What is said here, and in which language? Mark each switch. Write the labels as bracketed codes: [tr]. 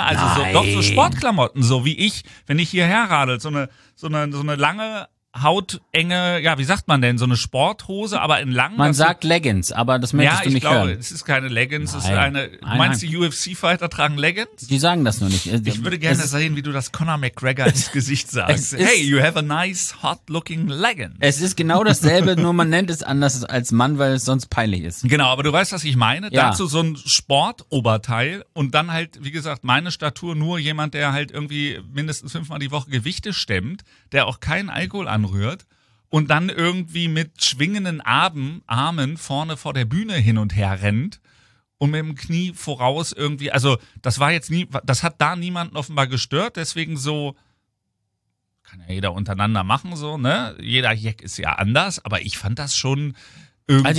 [de] Also so, doch so Sportklamotten, so wie ich, wenn ich hierher radel, so eine lange, hautenge, ja, wie sagt man denn, so eine Sporthose, aber in lang. Man sagt Leggings, aber das möchtest du nicht hören. Ja, ich glaube, es ist keine Leggings, es ist eine, meinst du, UFC-Fighter tragen Leggings? Die sagen das nur nicht. Ich würde gerne sehen, wie du das Conor McGregor ins Gesicht sagst. [en] Hey, you have a nice, hot-looking Leggings. [de] Es ist genau dasselbe, nur man nennt es anders als Mann, weil es sonst peinlich ist. Genau, aber du weißt, was ich meine? Ja. Dazu so ein Sportoberteil und dann halt, wie gesagt, meine Statur, nur jemand, der halt irgendwie mindestens fünfmal die Woche Gewichte stemmt, der auch keinen Alkohol anrührt und dann irgendwie mit schwingenden Armen vorne vor der Bühne hin und her rennt und mit dem Knie voraus irgendwie, also das war jetzt nie, das hat da niemanden offenbar gestört, deswegen so, kann ja jeder untereinander machen so, ne, jeder Jeck ist ja anders, aber ich fand das schon irgendwie.